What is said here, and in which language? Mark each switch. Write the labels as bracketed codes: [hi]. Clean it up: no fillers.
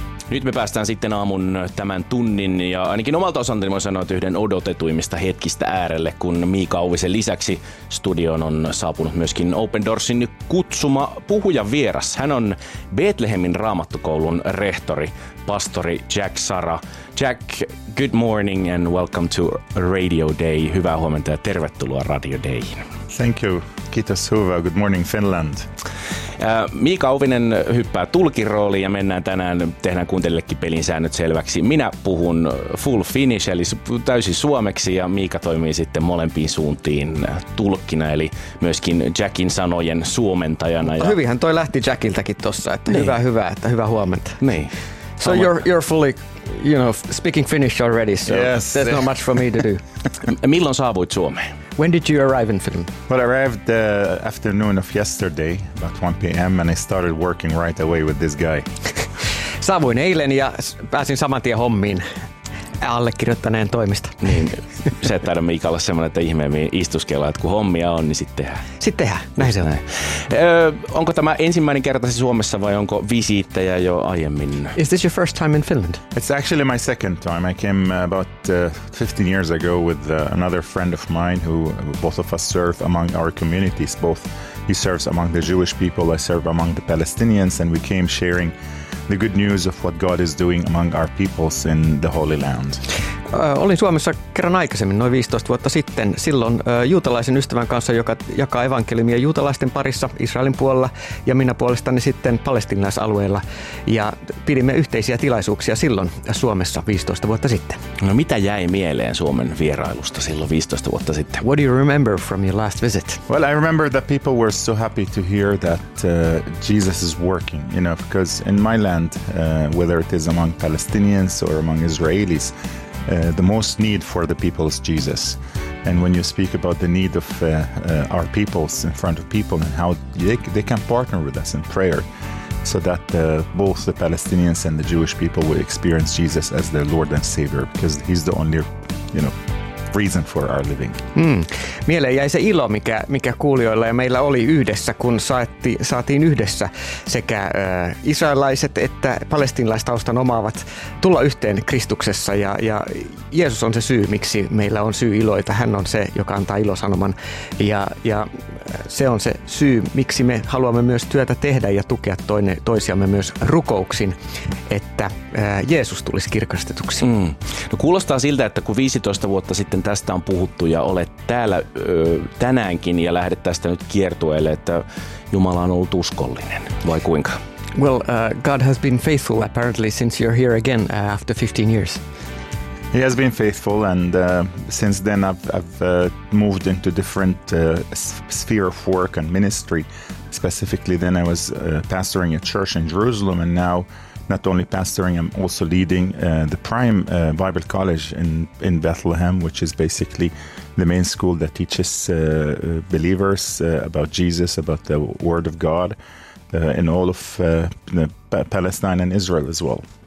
[fi] Nyt me päästään sitten aamun tämän tunnin ja ainakin omalta osaltani voin sanoa, että yhden odotetuimmista hetkistä äärelle, kun Miika Auvisen lisäksi studioon on saapunut myöskin Open Doorsin kutsuma puhuja vieras. Hän on Bethlehemin raamattukoulun rehtori, pastori Jack Sara. [en] Jack, good morning and welcome to Radio Day. [fi] Hyvää huomenta ja tervetuloa Radio Dayin. [en] Thank you. [fi] Kiitos, hyvä. [en] Good morning, Finland. [fi] Miika Auvinen hyppää tulkirooliin ja mennään tänään, tehdään kuuntelijallekin pelin säännöt selväksi. Minä puhun full finnish, eli täysin suomeksi, ja Miika toimii sitten molempiin suuntiin tulkkina, eli myöskin Jackin sanojen suomentajana. Ja... Hyvinhän toi lähti Jackiltäkin tossa, että niin. hyvä, että hyvä huomenta. Niin. [en] So you're fully, you know, speaking finnish already, so yes. There's not much for me to do. [fi] Milloin saavuit Suomeen? [en] When did you arrive in Finland? Well, I arrived afternoon of yesterday, about 1 p.m., and I started working right away with this guy. [fi] Saavuin eilen ja pääsin saman tien hommiin allekirjoittaneen toimista. Niin, se ei taida Miikalla semmoinen, että ihmeemmin istuskella, että kun hommia on, niin sitten tehdään. Sitten tehdään, näin se on. Onko tämä ensimmäinen kertasi Suomessa vai onko visiittejä jo aiemmin? [en] Is this your first time in Finland? It's actually my second time. I came about 15 years ago with another friend of mine who both of us serve among our communities. Both he serves among the Jewish people, I serve among the Palestinians, and we came sharing the good news of what God is doing among our peoples in the Holy Land. [fi] Olin Suomessa kerran aikaisemmin, noin 15 vuotta sitten, silloin juutalaisen ystävän kanssa, joka jakaa evankeliumia juutalaisten parissa Israelin puolella, ja minä puolestani sitten palestinaisalueella, ja pidimme yhteisiä tilaisuuksia silloin Suomessa 15 vuotta sitten. No mitä jäi mieleen Suomen vierailusta silloin 15 vuotta sitten? [en] What do you remember from your last visit? Well, I remember that people were so happy to hear that Jesus is working, you know, because in my land, whether it is among Palestinians or among Israelis, the most need for the people is Jesus. And when you speak about the need of our peoples in front of people and how they can partner with us in prayer so that both the Palestinians and the Jewish people will experience Jesus as their Lord and Savior, because he's the only, you know, reason for our living. Mm. [fi] Mieleen jäi se ilo, mikä kuulijoilla ja meillä oli yhdessä, kun saatiin yhdessä sekä israelaiset että palestinalaistaustan omaavat tulla yhteen Kristuksessa. Ja Jeesus on se syy, miksi meillä on syy iloita. Hän on se, joka antaa ilosanoman. Ja se on se syy, miksi me haluamme myös työtä tehdä ja tukea toisiamme myös rukouksin, että Jeesus tulisi kirkastetuksi. Mm. No kuulostaa siltä, että kun 15 vuotta sitten tästä on puhuttu ja olet täällä tänäänkin ja lähdet tästä nyt kiertueelle, että Jumala on ollut uskollinen, vai kuinka? [en] Well, God has been faithful apparently since you're here again after 15 years. He has been faithful, and since then I've moved into different sphere of work and ministry. Specifically then I was pastoring a church in Jerusalem, and now not only pastoring, I'm also leading the Prime Bible College in Bethlehem, which is basically the main school that teaches believers about Jesus, about the Word of God in all of Palestine and Israel as well.